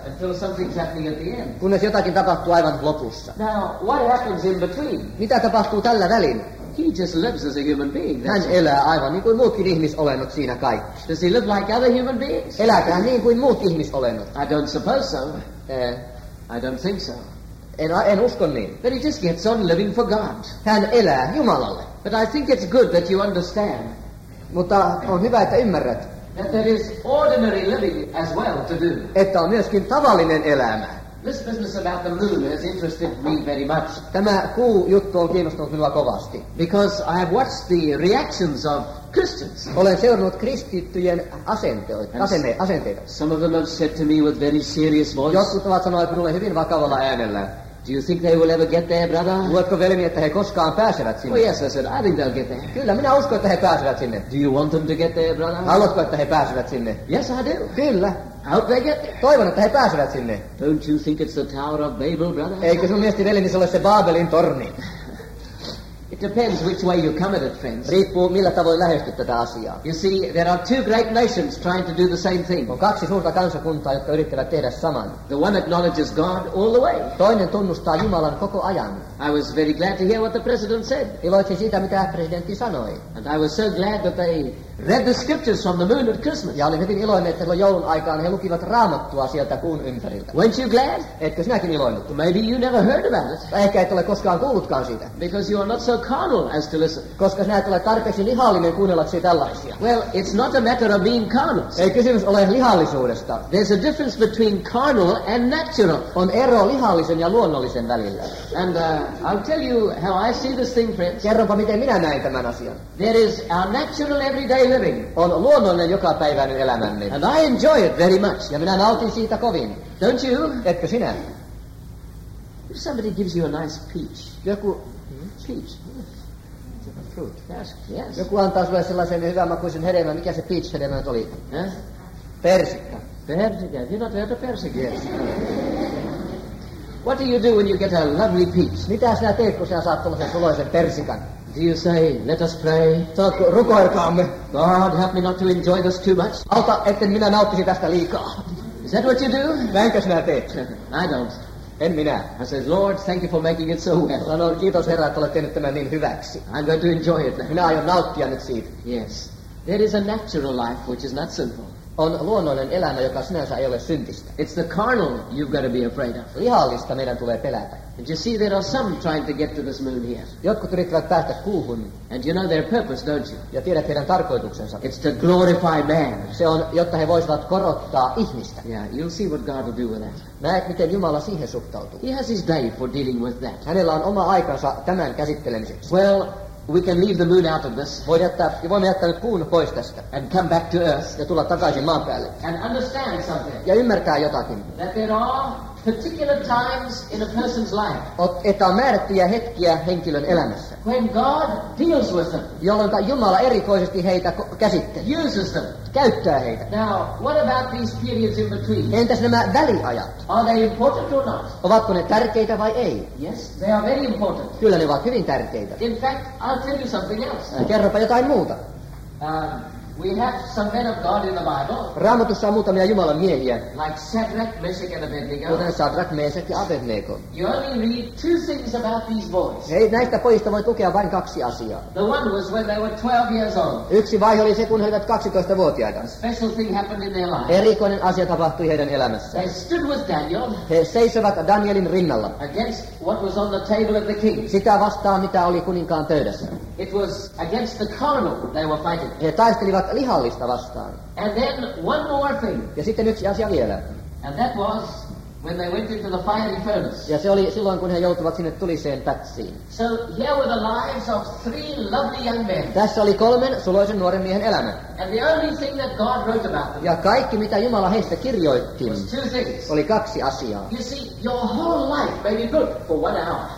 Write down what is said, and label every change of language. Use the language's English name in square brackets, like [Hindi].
[English] Until something's happening at the end. [Finnish] Kunnes jotakin tapahtuu aivan lopussa. [English] Now, what happens in between? [Finnish] Mitä tapahtuu tällä välin? [English] He just lives as a human being. [Finnish] Hän elää aivan niin kuin muutkin ihmisolennot siinä kaikki. [English] Does he live like other human beings? [Finnish] Elääkö hän niin kuin muut ihmisolennot? [English] I don't suppose so. I don't think so. [Finnish] En usko niin. [English] But he just gets on living for God. [Finnish] Hän elää Jumalalle. [English] But I think it's good that you understand. [Finnish] Mutta on hyvä, että ymmärrät. [English] That there is ordinary living as well to do. [Finnish] Että on myöskin tavallinen elämä. [English] This business about the moon has interested me very much. [Finnish] Tämä kuu juttu on kiinnostanut minua kovasti. [English] Because I have watched the reactions of Christians. [Finnish] Olen seurannut kristittyjen asenteita. [English] Some of them have said to me with very serious voice. [Finnish] Jotkut ovat sanoneet minulle hyvin vakavalla äänellä. [English] Do you think they will ever get there, brother? [Finnish] Luuletko veljeni, että he koskaan pääsevät sinne? [English] Oh yes, I said, I think they'll get there. [Finnish] Kyllä, minä uskon, että he pääsevät sinne. [English] Do you want them to get there, brother? [Finnish] Haluatko, että he pääsevät sinne? [English] Yes, I do. [Finnish] Kyllä. [English] I hope they get there. [Finnish] Toivon, että he pääsevät sinne. [English] Don't you think it's the Tower of Babel, brother? [Finnish] Eikö sun mielestä veljeni se ole se Baabelin torni? [English] It depends which way you come at it, friends. [Finnish] Riippuu, millä tavoin lähestyt tätä asiaa. [English] You see, there are two great nations trying to do the same thing. [Finnish] On kaksi suurta kansakuntaa, jotka yrittävät tehdä saman. [English] The one acknowledges God all the way. [Finnish] Toinen tunnustaa Jumalan koko ajan. [English] I was very glad to hear what the president said. [Finnish] Iloitsin siitä, mitä presidentti sanoi. [English] And I was so glad that they read the scriptures from the moon at Christmas. [Finnish] Ja olin hyvin iloinen, että joulun aikaan he lukivat Raamattua sieltä kuun ympäriltä. [English] Weren't you glad? [Finnish] Etkö sinäkin iloinut? [English] Maybe you never heard about it. [Finnish] Ehkä et ole koskaan kuullutkaan siitä. [English] Because you are not so carnal as to listen. [Finnish] Koska sinä et ole tarpeeksi lihallinen kuunnellaksesi tällaisia. [English] Well, it's not a matter of being carnal. [Finnish] Ei kysymys ole lihallisuudesta. [English] There's a difference between carnal and natural. [Finnish] On ero lihallisen ja luonnollisen välillä. [English] And I'll tell you how I see this thing, friends. [Finnish] Kerronpa, miten minä näen tämän asian. [English] There is our natural everyday living. [Finnish] On luonnollinen jokapäiväinen elämämme. [English] And I enjoy it very much. [Finnish] Ja minä nautin siitä kovin. [English] Don't you? [Finnish] Etkö sinä? [English] If somebody gives you a nice peach. [Finnish] Joku [English] peach. Yes. [Finnish] Joku antaa sulle sellaisen hyvän makuisen hedelmän. Mikä se peach hedelmä nyt oli? Huh? Persikka. [English] Persikka. You not heard of persikka? Yes. What do you do when you get a lovely peach? [Finnish] Mitä sinä teet, kun sinä saat tuollaisen suloisen persikan? [English] Do you say, let us pray? [Finnish] Saatko rukoilkaamme? [English] God, help me not to enjoy this too much. [Finnish] Auta, etten minä nauttisi tästä liikaa. [English] Is that what you do? [Finnish] Näinkö sinä teet? [English] I don't. [Finnish] En minä. [English] I says, Lord, thank you for making it so well. [Finnish] Sanon, kiitos Herra, että olet tehnyt tämän niin hyväksi. [English] I'm going to enjoy it now. [Finnish] Minä aion nauttia nyt siitä. [English] Yes. There is a natural life which is not sinful. [Finnish] On luonnollinen elämä, joka sinänsä ei ole syntistä. [English] It's the carnal you've got to be afraid of. [Finnish] Lihallista meidän tulee pelätä. [English] And you see, there are some trying to get to this moon here. [Finnish] Jotkut yrittävät päästä kuuhun. [English] And you know their purpose, don't you? [Finnish] Ja tiedät heidän tarkoituksensa. [English] It's to glorify man. [Finnish] Se on, jotta he voisivat korottaa ihmistä. [English] Yeah, you'll see what God will do with that. [Finnish] Näet, miten Jumala siihen suhtautuu. [English] He has his day for dealing with that. [Finnish] Hänellä on oma aikansa tämän käsittelemiseksi. [English] Well, we can leave the moon out of this. [Finnish] Voimme jättää kuun pois tästä. [English] And come back to Earth. [Finnish] Ja tulla takaisin maan päälle. [English] And understand something. [Finnish] Ja ymmärtää jotakin. [English] That there are particular times in a person's life. [Finnish] Että on määrättyjä hetkiä henkilön elämässä. [English] When God deals with them. [Finnish] Jolloin Jumala erikoisesti heitä käsittelee. [English] Uses them. [Finnish] Käyttää heitä. [English] Now, what about these periods in between? [Finnish] Entäs nämä väliajat? [English] Are they important or not? [Finnish] Ovatko ne tärkeitä vai ei? [English] Yes, they are very important. [Finnish] Kyllä ne ovat hyvin tärkeitä. [English] In fact, I'll tell you something else. [Finnish] Kerropa jotain muuta. [English] We have some men of God in the Bible. [Finnish] Raamatussa on muutamia Jumalan miehiä. [English] Like Shadrach, Meshach and Abednego. [Finnish] Kuten Shadrach, Meshach ja Abednego. [English] You only read two things about these boys. [Finnish] Hei, näistä pojista voi lukea vain kaksi asiaa. [English] The one was when they were 12 years old. [Finnish] Yksi vaihe oli se, kun he olivat 12-vuotiaita. [English] A special thing happened in their life. [Finnish] Erikoinen asia tapahtui heidän elämässään. [English] They stood with Daniel. [Finnish] He seisovat Danielin rinnalla. [English] Against what was on the table of the king. [Finnish] Sitä vastaan, mitä oli kuninkaan pöydässä. [English] It was against the carnal they were fighting. [Finnish] He taistelivat lihallista vastaan. [English] And then one more thing. [Finnish] Ja sitten yksi asia vielä. [English] And that was when they went into the fiery furnace. [Finnish] Ja se oli silloin, kun he joutuivat sinne tuliseen pätsiin. [English] So here were the lives of three lovely young men. [Finnish] Tässä oli kolmen suloisen nuoren miehen elämä. [English] And the only thing that God wrote about them. [Finnish] Ja kaikki, mitä Jumala heistä kirjoitti, oli kaksi asiaa. [English] You see, your whole life may be good for one hour.